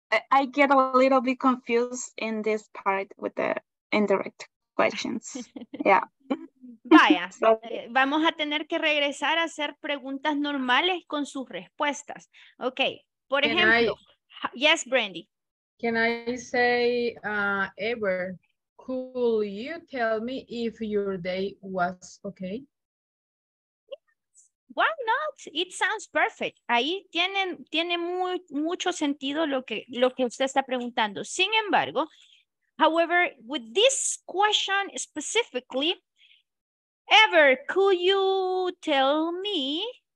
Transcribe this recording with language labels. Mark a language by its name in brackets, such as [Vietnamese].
[English] I get a little bit confused in this part with the indirect questions. Yeah. [Spanish] Vaya, vamos a tener que regresar a hacer preguntas normales con sus respuestas. Okay. Por ejemplo, yes, Brandy. [English] Can I say, Ever, could you tell me if your day was okay? Why not? It sounds perfect. [Spanish] Ahí tiene mucho sentido lo que usted está preguntando. [English] Sin embargo, however, with this question specifically, Ever, could you tell me